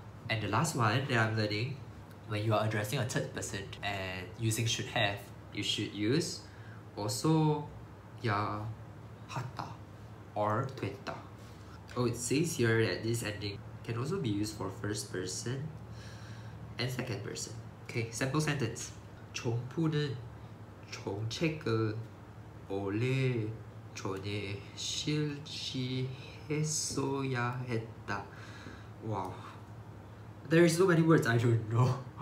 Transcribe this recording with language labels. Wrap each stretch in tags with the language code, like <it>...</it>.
<en>And the last one that I'm learning, when you are addressing a third person and using should have, you should use</en> <ko>어서야 하다</ko> <en>or</en> <ko>됐다.</ko> <en>Oh, it says here that this ending can also be used for first person and second person. Okay, sample sentence.</en> <ko>정부는 정책을 원래 전에 실시했어야 했다.</ko> <en>Wow. There is so many words I don't know.</en>